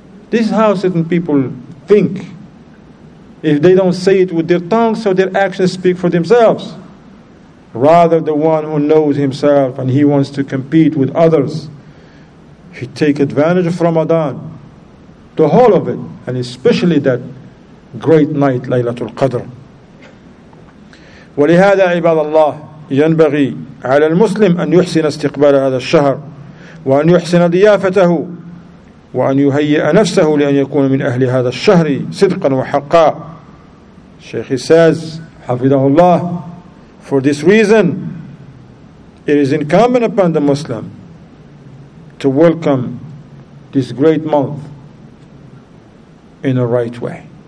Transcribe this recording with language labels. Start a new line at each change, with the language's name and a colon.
English: This is how certain people think. If they don't say it with their tongue, so their actions speak for themselves. Rather, the one who knows himself and he wants to compete with others, he take advantage of Ramadan, the whole of it, and especially that great night, Laylatul Qadr.
Arabic: ولهذا عباد الله ينبغي على المسلم أن يحسن استقبال هذا الشهر وأن يحسن ضيافته وأن يهيئ نفسه لأن يكون من أهل هذا الشهر صدقا وحقا.
English: الشيخ says, حفظه الله, for this reason it is incumbent upon the Muslim to welcome this great month in a right way.